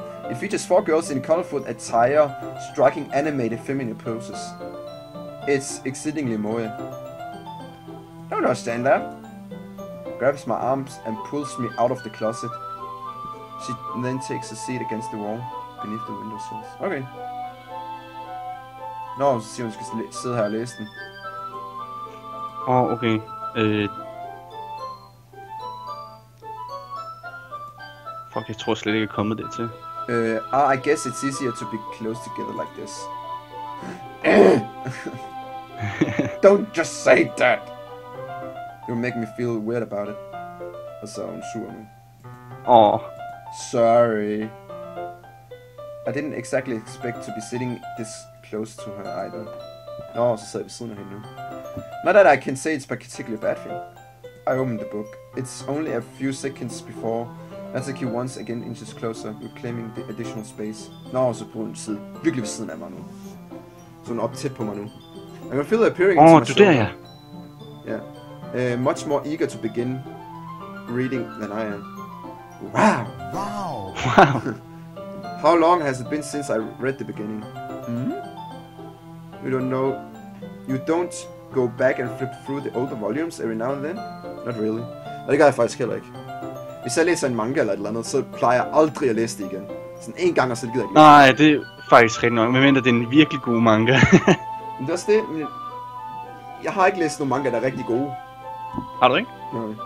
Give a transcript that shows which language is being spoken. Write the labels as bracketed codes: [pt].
[en] It features four girls in colorful attire, striking animated feminine poses. It's exceedingly moe. Don't understand that. Grabs my arms and pulls me out of the closet. She then takes a seat against the wall, beneath the windowsills. Okay. [da] Nå, så siger hun, at hun skal sidde her og læse den. Åh, oh, okay. Fuck, jeg tror slet ikke, jeg er kommet dertil. [en] I guess it's easier to be close together like this. Don't just say that! You'll make me feel weird about it. [da] Og så er hun sur nu. Åh. [en] Sorry. I didn't exactly expect to be sitting this close to her either. [da] Nå, så sidder jeg ved siden af hende nu. [en] Not that I can say it's a particularly bad thing. I opened the book. It's only a few seconds before Natsuki once again inches closer, reclaiming the additional space. [da] Nå, så på hendes side. Virkelig ved siden af mig nu. Så hun er op tæt på mig nu. [en] I can feel her appearing into my soul. [da] Åh, du der, ja. Ja. [en] Much more eager to begin reading than I am. Wow! Wow! How long has it been since I read the beginning? You don't know. You don't go back and flip through the older volumes every now and then? Not really. [da] Det gør jeg faktisk heller ikke. Hvis jeg læser en manga eller et eller andet, så plejer jeg aldrig at læse det igen. Sådan en gang, og så gider jeg ikke. Nej, det er faktisk rigtig nok. Medmindre det er en virkelig god manga. Men det er også det. Men jeg har ikke læst nogen manga, der er rigtig gode. Har du ikke? Nej.